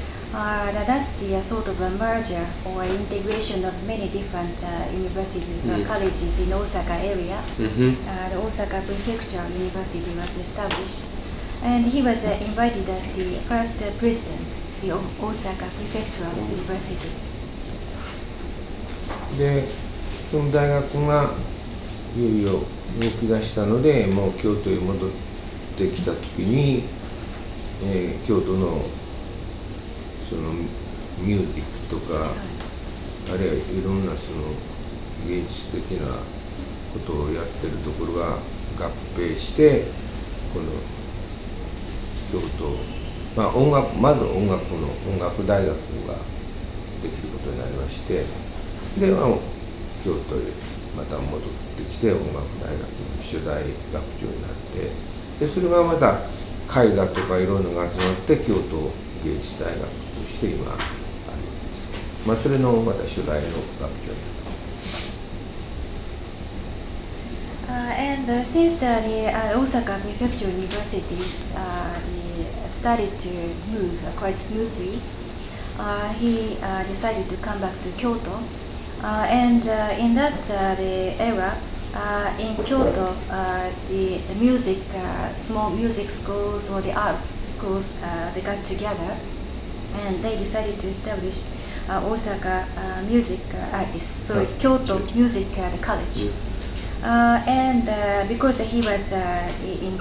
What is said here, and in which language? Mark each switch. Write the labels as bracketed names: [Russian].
[English] That's the sort of a merger or integration of many different universities or colleges in Osaka area. The Osaka Prefectural University was established. And he was invited as the first president of the Osaka Prefectural University. [Japanese] で、その大学がいよいよ動き出したので、もう京都へ戻って、来た時に、京都のそのミュージックとか、あるいはいろんなその芸術的なことをやってるところが合併して、この京都、まあ音楽、まず音楽の音楽大学ができることになりまして、で、まあ、京都へまた戻ってきて音楽大学の初代学長になって、でそれがまた絵画とかいろんなのが集まって京都芸術大学として今あるわけです。まあ、それのまた初代の学長になった。 [English] And since the Osaka Prefectural Universities started to move quite smoothly, he decided to come back to Kyoto. In that the era,in Kyoto, the music, small music schools or the arts schools, they got together and they decided to establish Osaka Music, Kyoto Music College. And because he was in